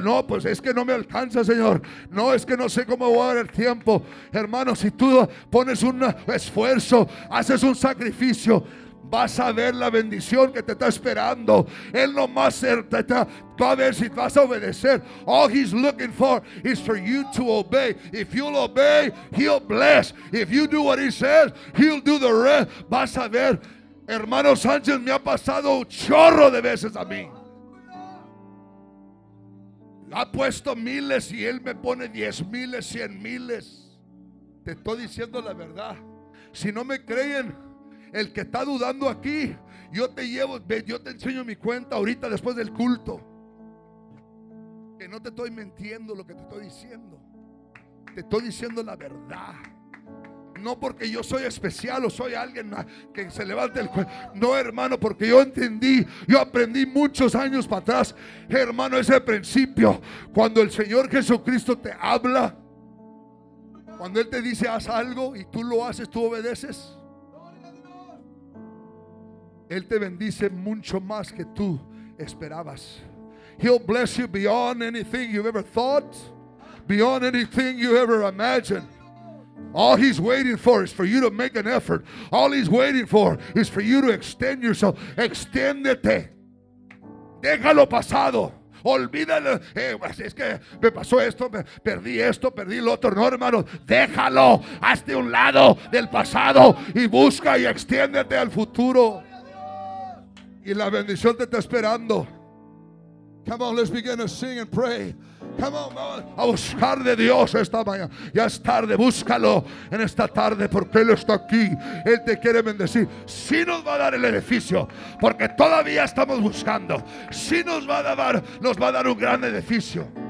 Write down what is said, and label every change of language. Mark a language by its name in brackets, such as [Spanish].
[Spanish] No, pues es que no me alcanza, Señor. No, es que no sé cómo voy a dar el tiempo. Hermano, si tú pones un esfuerzo, haces un sacrificio, vas a ver la bendición que te está esperando. Él no más te va a ver si vas a obedecer. [English] All he's looking for is for you to obey. If you'll obey, he'll bless. If you do what he says, he'll do the rest. [Spanish] Vas a ver. Hermano Sánchez, me ha pasado un chorro de veces a mí. Ha puesto miles y él me pone 10,000, 100,000. Te estoy diciendo la verdad. Si no me creen, el que está dudando aquí, yo te llevo, yo te enseño mi cuenta ahorita después del culto. Que no te estoy mintiendo lo que te estoy diciendo. Te estoy diciendo la verdad. No porque yo soy especial o soy alguien que se levante el cuello. No, hermano, porque yo entendí, yo aprendí muchos años para atrás, hermano, ese principio. Cuando el Señor Jesucristo te habla, cuando Él te dice haz algo y tú lo haces, tú obedeces, Él te bendice mucho más que tú esperabas. [English] He'll bless you beyond anything you've ever thought, beyond anything you ever imagined. All he's waiting for is for you to make an effort. All he's waiting for is for you to extend yourself. [Spanish] Extiéndete. Deja lo pasado. Olvídalo. Es que me pasó esto, perdí lo otro. No, hermano, déjalo. Hazte un lado del pasado y busca y extiéndete al futuro. Y la bendición te está esperando. [English] Come on, let's begin to sing and pray. Come on, [Spanish] a buscar de Dios esta mañana. Ya es tarde, búscalo en esta tarde porque Él está aquí. Él te quiere bendecir. Sí nos va a dar el edificio porque todavía estamos buscando. Sí nos va a dar un gran edificio.